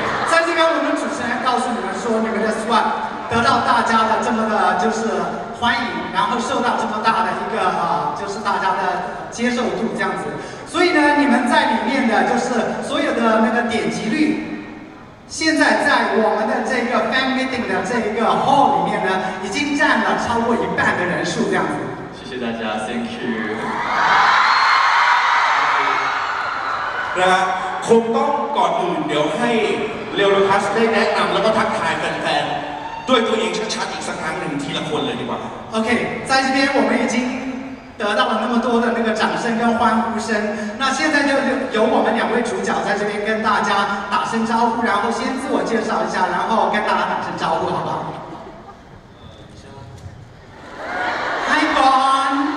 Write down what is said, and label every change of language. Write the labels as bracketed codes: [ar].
[zh] 在这边我们主持人告诉你们说你们的 SWAT 得到大家的这么的就是欢迎然后受到这么大的一个就是大家的接受度这样子所以呢你们在里面的就是所有的那个点击率现在在我们的这个 Fan Meeting 的这个 Hall 里面呢已经占了超过一半的人数这样子谢谢大家 [en] Thank you [th] 来คงต้องก่อนอื่นเดี๋ยวให้เลโอลูคัสได้แนะนำแล้วก็ทักทายแฟนๆด้วยตัวเองชัดๆอีกสักครั้งหนึ่งทีละคนเลยดีกว่า [zh] โอเค在这边我们已经得到了那么多的那个掌声跟欢呼声那现在就由我们两位主角在这边跟大家打声招呼然后先自我介绍一下然后跟大家打声招呼好不好Hi Bon